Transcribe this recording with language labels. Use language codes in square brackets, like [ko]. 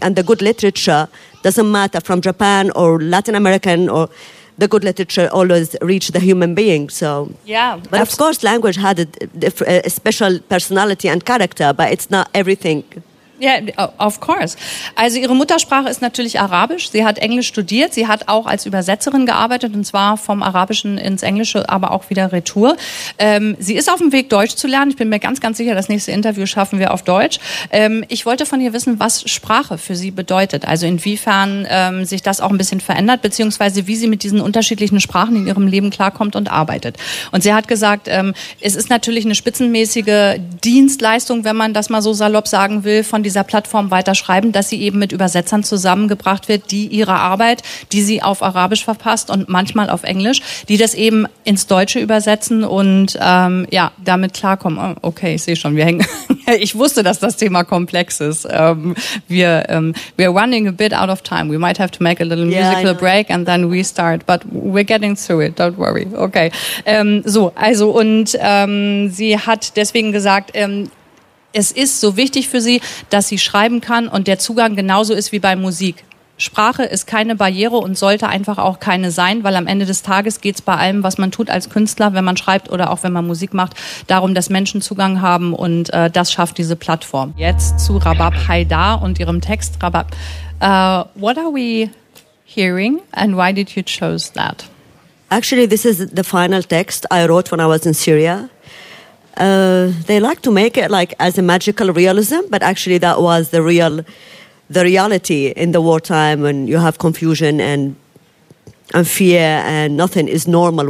[en] And the good literature, doesn't matter from Japan or Latin American or... The good literature always reached the human being. So, yeah, but of course, language had a special personality and character, but it's not everything. Yeah, of course. [de] Also, ihre Muttersprache ist natürlich Arabisch. Sie hat Englisch studiert. Sie hat auch als Übersetzerin gearbeitet, und zwar vom Arabischen ins Englische, aber auch wieder retour. Sie ist auf dem Weg, Deutsch zu lernen. Ich bin mir ganz, ganz sicher, das nächste Interview schaffen wir auf Deutsch. Ich wollte von ihr wissen, was Sprache für sie bedeutet. Also inwiefern sich das auch ein bisschen verändert, beziehungsweise wie sie mit diesen unterschiedlichen Sprachen in ihrem Leben klarkommt und arbeitet. Und sie hat gesagt, es ist natürlich eine spitzenmäßige Dienstleistung, wenn man das mal so salopp sagen will, von dieser Plattform Weiterschreiben, dass sie eben mit Übersetzern zusammengebracht wird, die ihre Arbeit, die sie auf Arabisch verfasst und manchmal auf Englisch, die das eben ins Deutsche übersetzen und ja, damit klarkommen. Okay, ich sehe schon, wir hängen. Ich wusste, dass das Thema komplex ist. [en] We're running a bit out of time. We might have to make a little musical break and then restart, but we're getting through it. Don't worry. Okay. [de] Sie hat deswegen gesagt, es ist so wichtig für sie, dass sie schreiben kann und der Zugang genauso ist wie bei Musik. Sprache ist keine Barriere und sollte einfach auch keine sein, weil am Ende des Tages geht's bei allem, was man tut als Künstler, wenn man schreibt oder auch wenn man Musik macht, darum, dass Menschen Zugang haben und das schafft diese Plattform. Jetzt zu Rabab Haidar und ihrem Text. [en] Rabab, what are we hearing and why did you choose that? Actually, this is the final text I wrote when I was in Syria. They like to make it like as a magical realism, but actually that was the reality in the wartime when you have confusion and fear and nothing is normal.